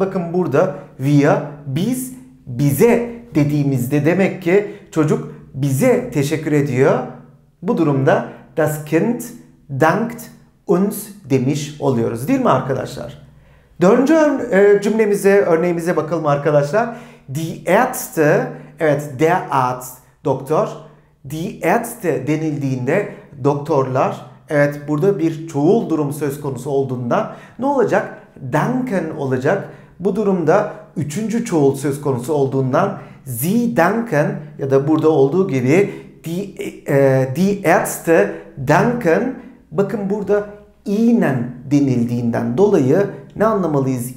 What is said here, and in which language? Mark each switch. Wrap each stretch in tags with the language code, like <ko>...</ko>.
<tr>Bakın burada wir, biz, bize dediğimizde demek ki çocuk bize teşekkür ediyor. Bu durumda</tr> <de>das Kind dankt uns</de> <tr>demiş oluyoruz, değil mi arkadaşlar? Dördüncü cümlemize, örneğimize bakalım arkadaşlar. Die Ärzte, evet, der Arzt, doktor. Die Ärzte denildiğinde doktorlar, evet, burada bir çoğul durum söz konusu olduğunda ne olacak? Danken olacak. Bu durumda üçüncü çoğul söz konusu olduğundan</tr> <de>sie danken,</de> <tr>ya da burada olduğu gibi</tr> <de>die Ärzte danken,</de> <tr>bakın burada ihnen denildiğinden dolayı ne anlamalıyız?</tr>